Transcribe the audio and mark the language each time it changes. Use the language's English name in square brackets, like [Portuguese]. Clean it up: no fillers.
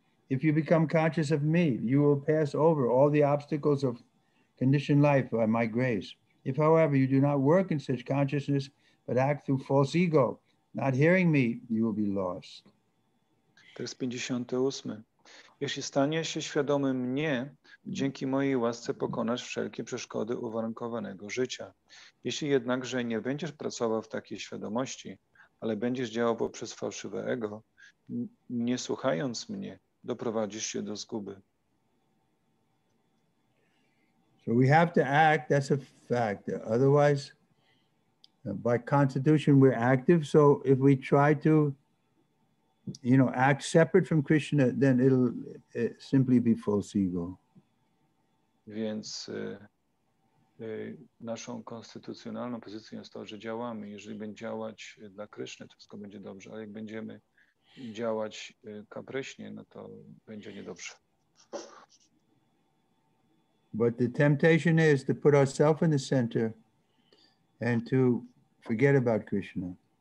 [English] If you become conscious of me, you will pass over all the obstacles of conditioned life by my grace. If, however, you do not work in such consciousness, but act through false ego, not hearing me, you will be lost. Text 58. [Polish] Jeśli staniesz się świadomy mnie, dzięki mojej łasce pokonasz wszelkie przeszkody uwarunkowanego życia. Jeśli jednakże nie będziesz pracował w takiej świadomości, ale będziesz działał poprzez fałszywe ego, nie słuchając mnie, doprowadzisz się do zguby. [English] So we have to act, that's a fact. Otherwise, by constitution we're active, so if we try to act separate from Krishna, then it'll simply be false ego. [Polish] Więc naszą konstytucjonalną pozycją jest to, że działamy. Jeżeli będziemy działać dla Kryszny, to wszystko będzie dobrze, ale jak będziemy działać kapryśnie, no to będzie niedobrze. [English] But the temptation is to put ourselves in the center and to forget about Krishna.